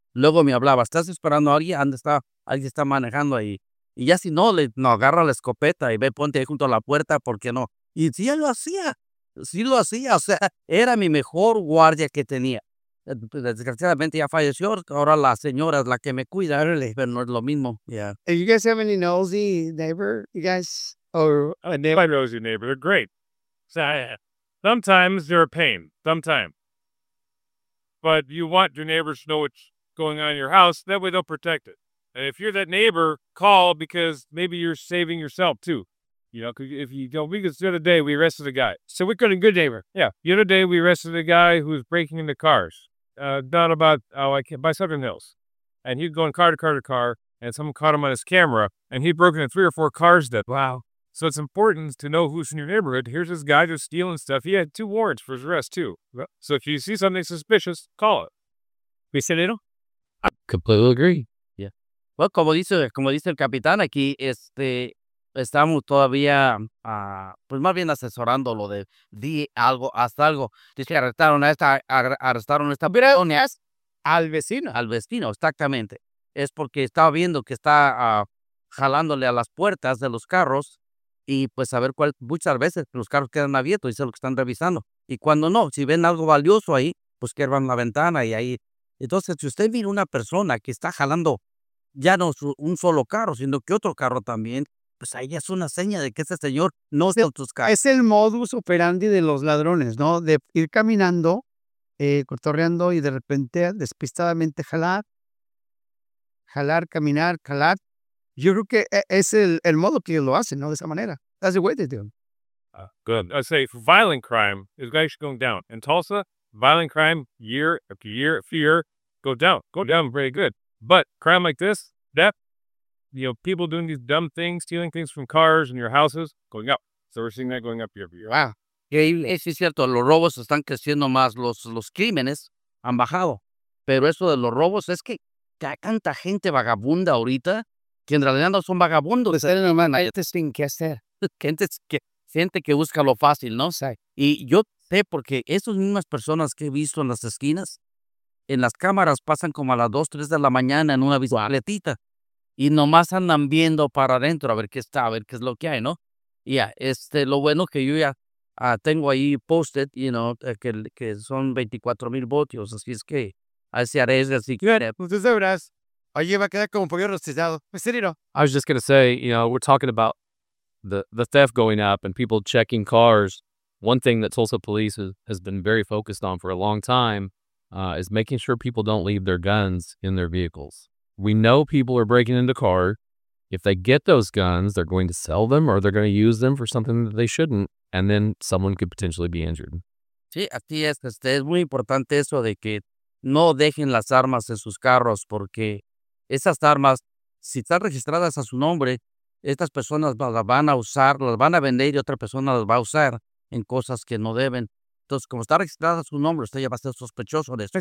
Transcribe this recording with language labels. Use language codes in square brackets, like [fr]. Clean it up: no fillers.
[es] Luego me hablaba, ¿estás esperando a alguien? Alguien está manejando ahí. Y ya si no, agarra la escopeta y ve, ponte ahí junto a la puerta, ¿por qué no? Y sí, él lo hacía. Sí lo hacía, o sea, era mi mejor guardia que tenía. Desgraciadamente ya falleció, ahora la señora es la que me cuida, pero no es lo mismo. [en] Yeah. And you guys have any nosy neighbor, you guys? Or a neighbor? My nosy neighbor, they're great. Sometimes they're a pain, sometimes. But you want your neighbors to know what's going on in your house, that way they'll protect it. And if you're that neighbor, call because maybe you're saving yourself too. You know, because if you don't, the other day we arrested a guy. So we're good, good neighbor. Yeah. The other day we arrested a guy who was breaking into cars by Southern Hills. And he'd go in car to car to car, and someone caught him on his camera, and he'd broken into 3 or 4 cars then. Wow. So it's important to know who's in your neighborhood. Here's this guy just stealing stuff. He had 2 warrants for his arrest, too. Yep. So if you see something suspicious, call it. Vicenero? I completely agree. Yeah. [es] Well, como dice el capitán aquí, estamos todavía, pues más bien asesorándolo de di algo, haz algo. Dice, arrestaron a esta persona. Es al vecino. Al vecino, exactamente. Es porque está viendo que está jalándole a las puertas de los carros y pues a ver cuál, muchas veces los carros quedan abiertos y es lo que están revisando. Y cuando no, si ven algo valioso ahí, pues quiebran la ventana y ahí. Entonces, si usted mira una persona que está jalando ya no un solo carro, sino que otro carro también, pues ahí es una seña de que ese señor no está en tus carros. Es el modus operandi de los ladrones, ¿no? De ir caminando, cotorreando y de repente despistadamente jalar, caminar, jalar. Yo creo que es el modo que ellos lo hacen, ¿no? De esa manera. [en] That's the way they do it. Good. I say, for violent crime is actually going down. In Tulsa, violent crime, year after year after year, go down. Go down very good. But crime like this, death, you know, people doing these dumb things, stealing things from cars and your houses, going up. So we're seeing that going up year after year. [es] Wow. Increíble. Sí, es cierto. Los robos están creciendo más. Los crímenes han bajado. Pero eso de los robos es que hay tanta gente vagabunda ahorita que en realidad no son vagabundos. Pues eres normal. Hay gente sin qué hacer. Gente que busca lo fácil, ¿no? Sí. Y yo sé porque esas mismas personas que he visto en las esquinas, en las cámaras pasan como a las 2, 3 de la mañana en una bicicletita. Wow. Y nomás andan viendo para adentro a ver qué está, a ver qué es lo que hay, ¿no? Ya, [en] yeah, [es] lo bueno que yo ya tengo ahí [en] posted, you know, [es] que son 24,000 voltios, así es que ahí se arriesga, así que... Bien, pues tú sabrás. Oye, va a quedar como un pollo rostizado. Vicenero. [en] I was just going to say, you know, we're talking about the theft going up and people checking cars. One thing that Tulsa police has been very focused on for a long time is making sure people don't leave their guns in their vehicles. We know people are breaking into car. If they get those guns, they're going to sell them or they're going to use them for something that they shouldn't, and then someone could potentially be injured. [es] Sí, así es. Es muy importante eso de que no dejen las armas en sus carros porque esas armas, si están registradas a su nombre, estas personas las van a usar, las van a vender y otra persona las va a usar en cosas que no deben. Entonces, como está registrada a su nombre, usted ya va a ser sospechoso de eso.